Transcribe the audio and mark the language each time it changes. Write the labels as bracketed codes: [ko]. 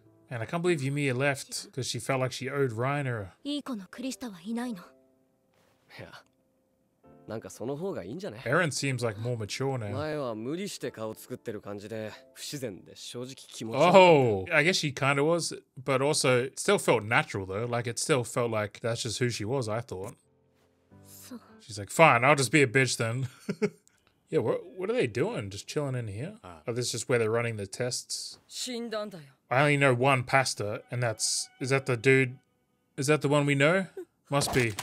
[en] And I can't believe Yumiya left because she felt like she owed Reiner. [ja] Iiko no Krista wa inai no. [en] Yeah. [ja] なんかその方がいいんじゃない? [en] Aaron seems like more mature now. [ja] 前は無理して顔作ってる感じで不自然で正直気持ち悪い。 [en] Oh, I guess she kind of was, but also still felt natural though. Like it still felt like that's just who she was, I thought. [ja] そう。 [en] She's like, fine, I'll just be a bitch then. Yeah, what are they doing? Just chilling in here? Oh, this is just where they're running the tests. [ja] 死んだんだよ。 [en] I only know one pastor, and that's... Is that the dude? Is that the one we know? Must be.